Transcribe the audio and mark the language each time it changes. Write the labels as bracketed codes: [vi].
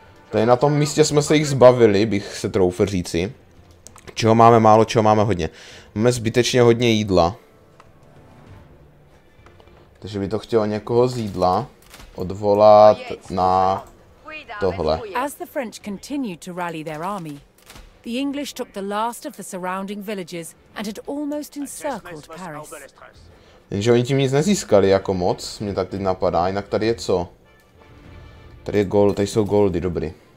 [cs] Tady na tom místě jsme se jich zbavili, bych se troufl říci. Čeho máme málo, čeho máme hodně. Máme zbytečně hodně jídla. Takže by to chtělo někoho z jídla odvolat na tohle. [en] As the French continued to rally their army, the English took the last of the surrounding villages and had almost encircled Paris. [cs] Jenže oni tím nic nezískali jako moc, mě tak teď napadá, jinak tady je co? Tady je gold, tady jsou goldy, dobrý.